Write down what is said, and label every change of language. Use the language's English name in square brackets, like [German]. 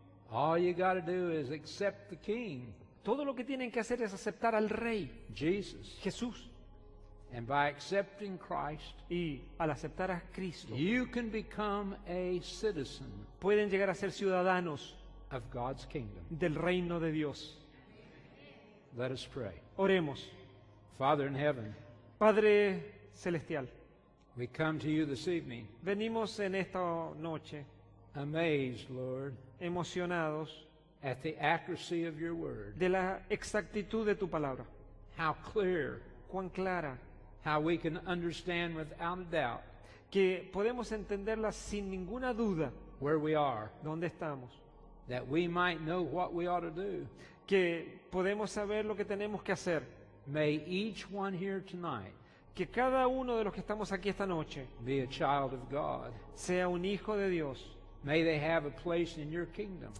[English] All you got to do is accept the King. [Spanish] Todo lo que tienen que hacer es aceptar al Rey. [English] Jesus. [Spanish] Jesús. [English] And by accepting Christ, [Spanish] y al aceptar a Cristo, [English] you can become a citizen. [Spanish] Pueden llegar a ser ciudadanos [English] of God's kingdom. [Spanish] Del reino de Dios. [English] Let us pray. [Spanish] Oremos. [English] Father in heaven, [Spanish] Padre celestial, [English] we come to you this evening. [Spanish] Venimos en esta noche. [English] Amazed, Lord. [Spanish] Emocionados [English] at the accuracy of your word, [Spanish] de la exactitud de tu palabra. [English] How clear, [Spanish] cuán clara, [English] how we can understand without a doubt, [Spanish] que podemos entenderla sin ninguna duda, [English] where we are, [Spanish] dónde estamos, [English] that we might know what we ought to do, [Spanish] que podemos saber lo que tenemos que hacer. [English] May each one here tonight, [Spanish] que cada uno de los que estamos aquí esta noche [English] be a child of God. [Spanish] Sea un hijo de Dios. [English] May they have a place in your kingdom.